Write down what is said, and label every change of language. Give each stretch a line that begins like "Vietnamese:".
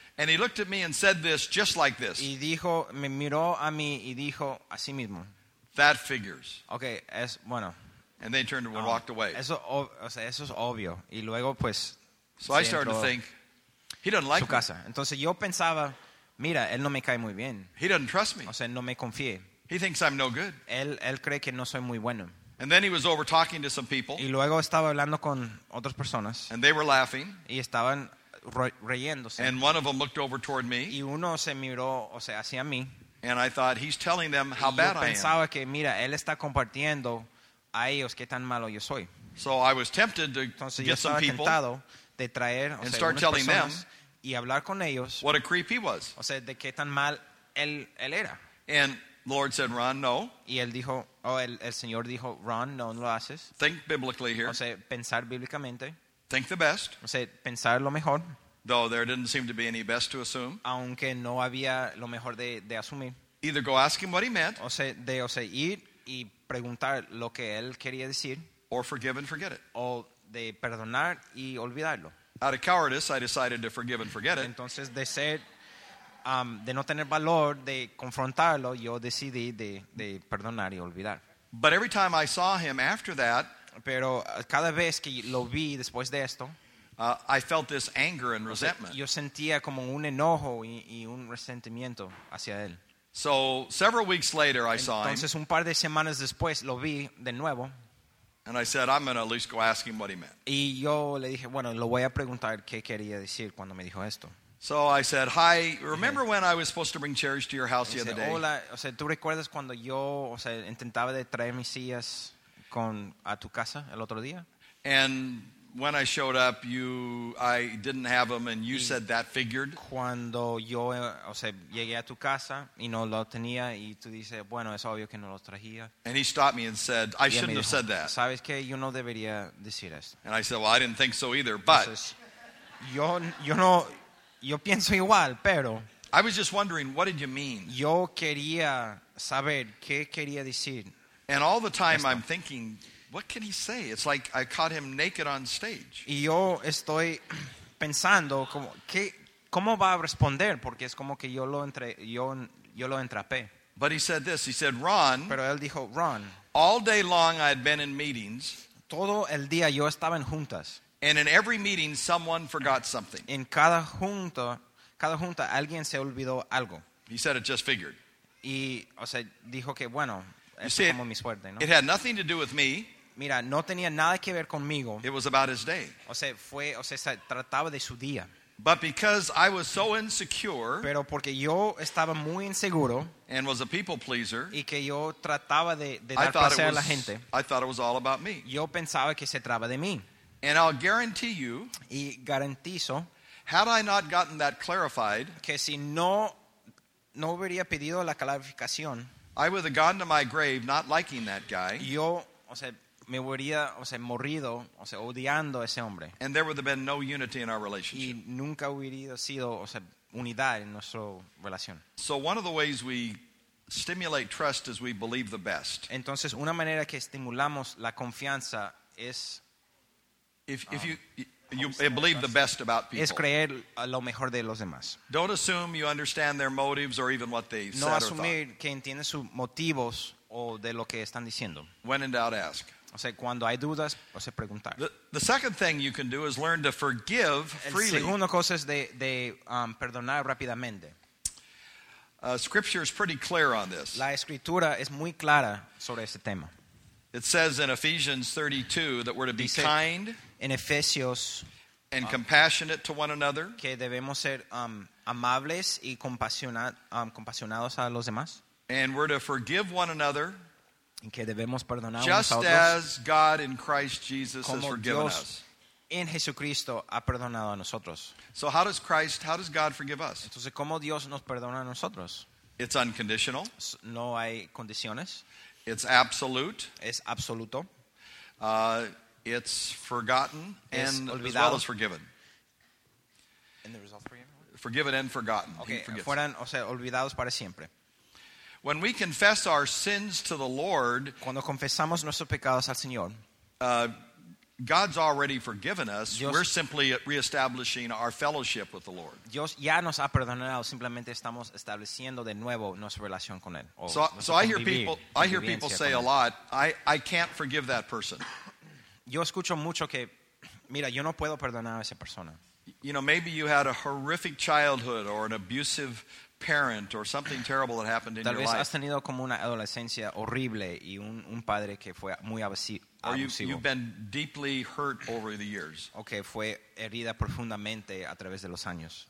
English: And he looked at me and said this, just like this.
Spanish: Y dijo, me miró a mí y dijo, así mismo.
English: That figures.
Spanish: Okay, es bueno.
English: And they turned and walked away.
Spanish: Eso, o sea, eso es obvio. Y luego, pues,
English: so I started to think, he doesn't like
Spanish: su casa.
English: Me.
Spanish: Entonces yo pensaba, mira, él no me cae muy bien.
English: He doesn't trust me.
Spanish: O sea, no me confíe.
English: He thinks I'm no good.
Spanish: Él cree que no soy muy bueno.
English: And then he was over talking to some people.
Spanish: Y luego estaba hablando con otras personas.
English: And they were laughing.
Spanish: Y estaban riéndose.
English: And one of them looked over toward me.
Spanish: Y uno se miró, o sea, hacia mí.
English: And I thought, he's telling them how bad I am.
Spanish: Y pensaba que, mira, él está compartiendo a ellos qué tan malo yo soy.
English: So I was tempted to
Spanish: entonces,
English: get some people
Spanish: tentado de traer,
English: and
Spanish: o sea,
English: start telling them
Spanish: y hablar con ellos.
English: What a creep he was.
Spanish: O sea, de qué tan mal él era.
English: And Lord said, Ron, no.
Spanish: Y él dijo, oh, el Señor dijo, Ron, no lo haces.
English: Think biblically here.
Spanish: O sea, pensar bíblicamente.
English: Think the best.
Spanish: O sea, pensar lo mejor.
English: Though there didn't seem to be any best to assume.
Spanish: Aunque no había lo mejor de asumir.
English: Either go ask him what he meant.
Spanish: O sea, ir y preguntar lo que él quería decir.
English: Or forgive and forget it.
Spanish: O de perdonar y olvidarlo.
English: Out of cowardice, I decided to forgive and forget it.
Spanish: Entonces, de ser, de no tener valor, de confrontarlo, yo decidí de perdonar y olvidar.
English: But every time I saw him after that,
Spanish: pero cada vez que lo vi después de esto,
English: I felt this anger and resentment.
Spanish: Yo sentía como un enojo y un resentimiento hacia él.
English: So, several weeks later, I saw him.
Spanish: Entonces, un par de semanas después, lo vi de nuevo.
English: And I said, I'm going to at least go ask him what he meant.
Spanish: Y yo le dije, bueno, lo voy a preguntar qué quería decir cuando me dijo esto.
English: So I said, hi, remember when I was supposed to bring chairs to your house the other day?
Spanish: Hola, o sea, ¿tú recuerdas cuando yo, o sea, intentaba de traer mis sillas a tu casa el otro día?
English: And when I showed up, I didn't have them, and you said that figured.
Spanish: Cuando yo, o sea, llegué a tu casa y no lo tenía, y tú dices, bueno, es obvio que no lo traía.
English: And he stopped me and said, I shouldn't have said that.
Spanish: Sabes que yo no debería decir eso.
English: And I said, well, I didn't think so either, but.
Spanish: Yo pienso igual, pero.
English: I was just wondering, what did you mean?
Spanish: Yo quería saber qué quería decir.
English: And all the time I'm thinking, what can he say? It's like I caught him naked on stage.
Spanish: Y yo estoy pensando como qué cómo va a responder porque es como que yo lo entrapé.
English: But he said this. He said, "Ron."
Spanish: Pero él dijo, "Ron."
English: All day long I had been in meetings.
Spanish: Todo el día yo estaba en juntas.
English: And in every meeting someone forgot something.
Spanish: En cada junta alguien se olvidó algo.
English: He said it just figured.
Spanish: Y o sea, dijo que bueno, see, como mi suerte, ¿no?
English: It had nothing to do with me.
Spanish: Mira, no tenía nada que ver conmigo.
English: It was about his day.
Spanish: O sea, trataba de su día.
English: But because I was so insecure,
Spanish: pero porque yo estaba muy inseguro,
English: and was a people pleaser,
Spanish: y que yo trataba de dar placer a la gente,
English: I thought it was all about me.
Spanish: Yo pensaba que se trataba de mí.
English: And I'll guarantee you,
Spanish: y garantizo,
English: had I not gotten that clarified,
Spanish: que si no hubiera pedido la clarificación,
English: I would have gone to my grave not liking that guy.
Spanish: Yo, o sea, me hubiera, o sea, morido, o sea, odiando a ese hombre.
English: And there would have been no unity in our relationship.
Spanish: Y nunca hubiera sido, o sea, unidad en nuestra relación.
English: So one of the ways we stimulate trust is we believe the best.
Spanish: Entonces, una manera que estimulamos la confianza es
English: believe the best about people.
Spanish: Es creer lo mejor de los demás.
English: Don't assume you understand their motives or even what they
Spanish: no
English: said
Spanish: asumir
English: or thought.
Spanish: Que entiendes sus motivos o de lo que están diciendo.
English: When in doubt, ask.
Spanish: O sea, cuando hay dudas, o sea, preguntar.
English: The second thing you can do is learn to forgive freely.
Spanish: El segundo cosa es de perdonar rápidamente.
English: Scripture is pretty clear on this.
Spanish: La escritura es muy clara sobre este tema.
English: It says in Ephesians 32 that we're to be kind.
Spanish: En Efesios,
English: and compassionate to one another.
Spanish: Que debemos ser amables y compasionados a los demás.
English: And we're to forgive one another.
Spanish: En que debemos perdonar
English: just
Spanish: a otros,
English: as God in Christ Jesus
Spanish: como
English: has forgiven
Spanish: Dios
English: us.
Spanish: En Jesucristo ha perdonado a nosotros.
English: So how does God forgive us?
Spanish: Entonces, ¿cómo Dios nos perdona a nosotros?
English: It's unconditional.
Spanish: No hay condiciones.
English: It's absolute.
Spanish: Es absoluto.
English: It's forgotten and as well as forgiven. And the result forgiven? Forgiven and forgotten. Okay.
Spanish: Fueran, o sea, olvidados para siempre.
English: When we confess our sins to the Lord,
Spanish: cuando confesamos nuestros pecados al Señor,
English: God's already forgiven us. Dios, we're simply reestablishing our fellowship with the Lord.
Spanish: Dios ya nos ha perdonado. Simplemente estamos estableciendo de nuevo nuestra relación con él.
English: So I hear people say a lot, I can't forgive that person.
Spanish: Yo escucho mucho que, mira, yo no puedo perdonar a esa persona.
English: You know, maybe you had a horrific childhood or an abusive parent or something terrible that happened in
Spanish: tal
English: your life.
Spanish: Tal vez has tenido como una adolescencia horrible y un padre que fue muy abusivo.
English: Or you've been deeply hurt over the years.
Spanish: Okay, fue herida profundamente a través de los años.